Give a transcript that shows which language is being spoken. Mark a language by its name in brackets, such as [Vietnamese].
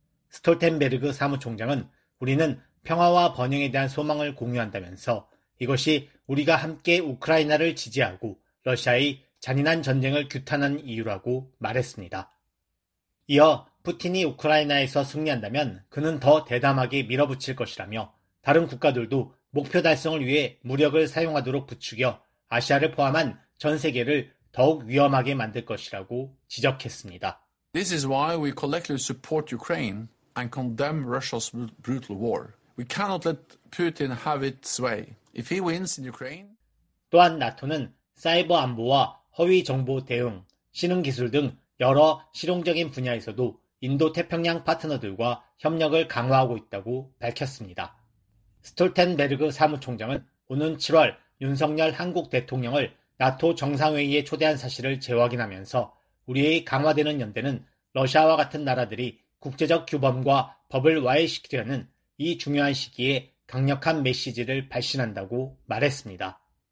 [Korean] 스톨텐베르그 사무총장은 우리는 평화와 번영에 대한 소망을 공유한다면서 이것이 우리가 함께 우크라이나를 지지하고 러시아의 잔인한 전쟁을 규탄한 이유라고 말했습니다. 이어 푸틴이 우크라이나에서 승리한다면 그는 더 대담하게 밀어붙일 것이라며 다른 국가들도 목표 달성을 위해 무력을 사용하도록 부추겨 아시아를 포함한 전 세계를 더욱 위험하게 만들 것이라고 지적했습니다. [English] This is why we collectively support Ukraine and condemn Russia's brutal war. We cannot let Putin have its way. If he wins in Ukraine, [Korean] 또한 나토는 사이버 안보와 허위 정보 대응, 신흥 기술 등 여러 실용적인 분야에서도 인도 태평양 파트너들과 협력을 강화하고 있다고 밝혔습니다. 스톨텐베르그 사무총장은 오는 7월 윤석열 한국 대통령을 나토 정상회의에 초대한 사실을 재확인하면서 우리의 강화되는 연대는 러시아와 같은 나라들이 국제적 규범과 법을 와해시키려는 이 중요한 시기에 강력한 메시지를 발신한다고 말했습니다.